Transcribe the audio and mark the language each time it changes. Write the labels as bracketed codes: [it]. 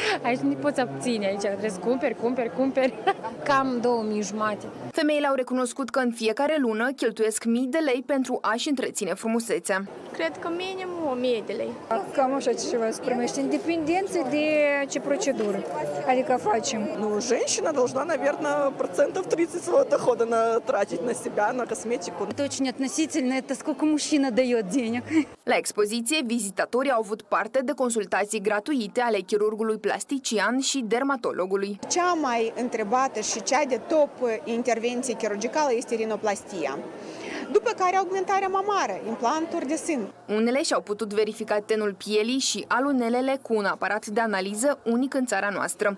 [ro] Aici nu poți obține, aici trebuie să cumperi. Cam 2500. Femeile au recunoscut că în fiecare lună cheltuiesc 1000 de lei pentru a-și întreține frumusețea. Cred că minimum 1000 de lei. Cam așa ceva se primește, în dependență de ce procedură, adică facem. [ru] Ну, женщина должна, наверное, процентов 30 своего дохода тратить на себя, на косметику. Это очень относительно, это сколько мужчина дает денег. [ro] La expoziție, vizitatorii au avut parte de consultații gratuite ale chirurgului plastician și dermatologului. Cea mai întrebată și cea de top intervenție chirurgicală este rinoplastia, după care augmentarea mamară, implanturi de sân. Unele și-au putut verifica tenul pielii și alunelele cu un aparat de analiză unic în țara noastră.